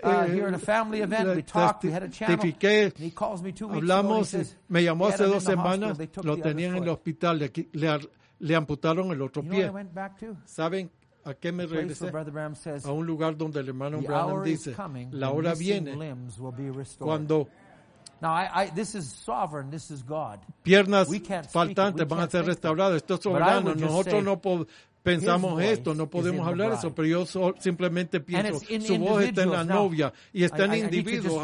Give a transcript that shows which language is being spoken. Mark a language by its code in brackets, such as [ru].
[es] hablamos. Me llamó hace dos semanas. Lo tenían en el hospital. Le amputaron el otro pie. ¿Saben a qué me regresé? A un lugar donde el hermano Branham dice: la hora viene cuando. [en] Now I this is sovereign, this is God. [es] Piernas faltantes van a ser restauradas. Esto es soberano. Nosotros no pensamos esto, no podemos hablar eso, pero yo simplemente pienso, su voz está en la novia y está en individuos.